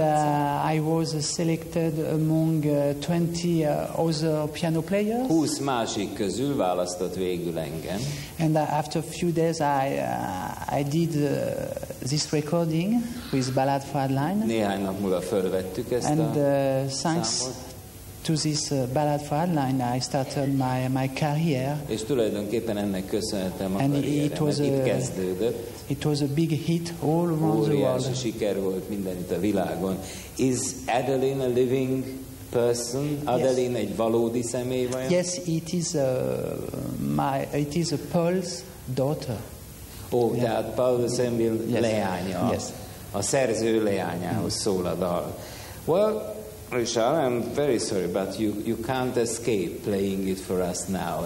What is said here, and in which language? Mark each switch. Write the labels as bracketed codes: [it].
[en] And I was selected among 20 other piano players. [hu] 20 másik közül választott végül engem. [en] And after a few days I did this recording with Ballad for Adeline. [hu] Néhány nap múlva felvettük ezt [en] thanks [hu] számot. [en] To this Ballad for Adeline I started my career. [hu] És tulajdonképpen ennek köszönhetem a karrieremet, itt kezdődött. [en] It was a big hit all around the world. [hu] Óriási siker volt mindenütt a világon. [en] Is Adeline a living person? [hu] Adeline egy valódi személy vajon? [en] Yes, it is a Paul's daughter. Oh, yeah. [hu] Tehát Paul de Senneville leánya. [en] Yes. [hu] A szerző leányához szól a dal. [en] Well, Richard, I'm very sorry, but you can't escape playing it for us now.